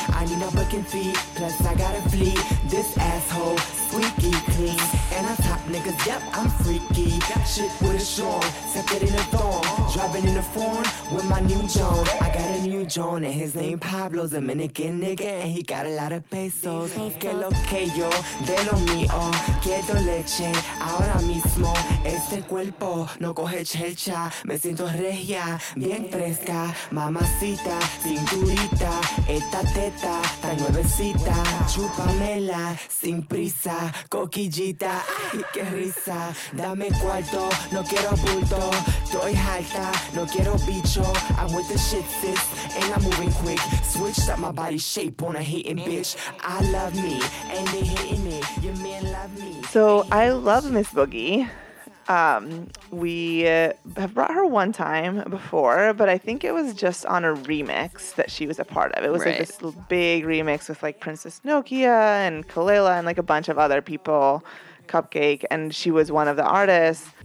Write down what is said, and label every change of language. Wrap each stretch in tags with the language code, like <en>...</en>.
<en>I need no booking fee, plus I gotta flee. This asshole, squeaky clean. And I top niggas, yep, I'm freaky. Got shit with a Sean, set it in a thong. Driving in a foreign with my new John. I got a new John, and his name Pablo. Dominican nigga, and he got a lot of pesos.</en> <es>Que lo que yo, de lo mío. Quiero leche, ahora mismo. Este cuerpo, no coge chelcha. Me siento regia, bien fresca. Mamacita, cinturita. Esta teta, tan nuevecita. Chúpamela, sin prisa. Coquillita, ay, qué risa. Dame cuarto, no quiero bulto. Estoy alta, no quiero bicho.</es> <en>I'm with the shit, sis, and I'm moving quick. Switched up my body shape on a hating bitch. I love me, and they hating me. Your man love me. So I love Miss Boogie. We have brought her one time before, but I think it was just on a remix that she was a part of. It was like this big remix with like Princess Nokia and Kalela and like a bunch of other people, Cupcake, and she was one of the artists.</en>